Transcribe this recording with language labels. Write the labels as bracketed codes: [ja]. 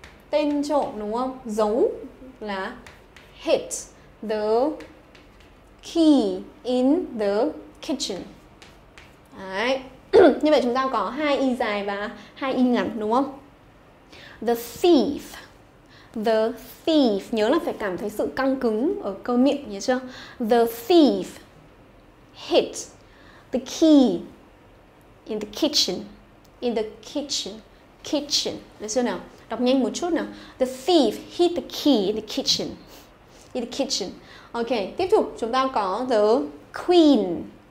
[vi] Tên trộm đúng không? Giấu là [en] hit the key in the kitchen. [vi] Đấy. Như vậy chúng ta có hai y dài và hai y ngắn đúng không? [en] The thief. The thief, [vi] nhớ là phải cảm thấy sự căng cứng ở cơ miệng nhớ chưa? [en] The thief hit the key in the kitchen. In the kitchen. Kitchen. [vi] Được chưa nào? Đọc nhanh một chút nào. [en] The thief hit the key in the kitchen. In the kitchen. [vi] Ok, tiếp tục chúng ta có the queen.